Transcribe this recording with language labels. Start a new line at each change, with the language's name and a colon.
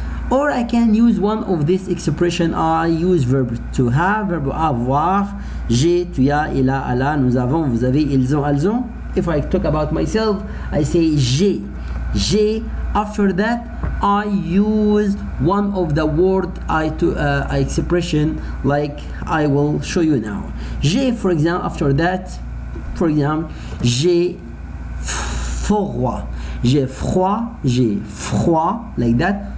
English: Or I can use one of this expression. I use verb to have, verb avoir.
French: J'ai, tu as, il a, elle a, nous avons, vous avez, ils ont, elles ont.
English: If I talk about myself, I say j'ai. After that, I use one of the word I to expression like I will show you now. J'ai, for example, after that, for example,
French: j'ai froid,
English: like that.